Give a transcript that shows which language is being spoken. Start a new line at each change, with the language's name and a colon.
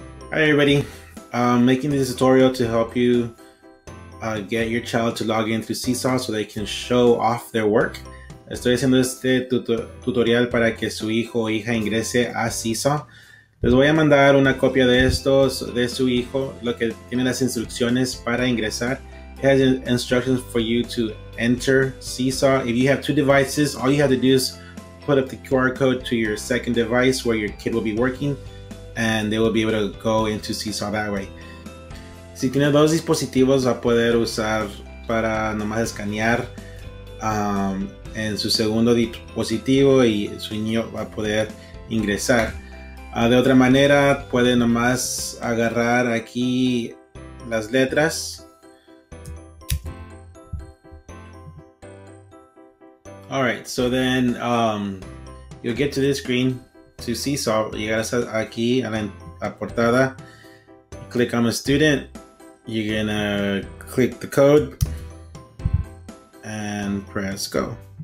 English: Hi everybody, I'm making this tutorial to help you get your child to log in to Seesaw so they can show off their work.
Spanish: Estoy haciendo este tutorial para que su hijo o hija ingrese a Seesaw. Les voy a mandar una copia de estos de su hijo, lo que tiene las instrucciones para ingresar.
English: It has instructions for you to enter Seesaw. If you have two devices, all you have to do is put up the QR code to your second device where your kid will be working, and they will be able to go into Seesaw that way.
Spanish: Si tiene dos dispositivos, va a poder usar para nomás escanear en su segundo dispositivo y su niño va a poder ingresar. De otra manera, puede nomás agarrar aquí las letras.
English: All right, so then you'll get to this screen to Seesaw.
Spanish: Llegarás aquí a la portada.
English: Click I'm a student. You're gonna click the code and press go.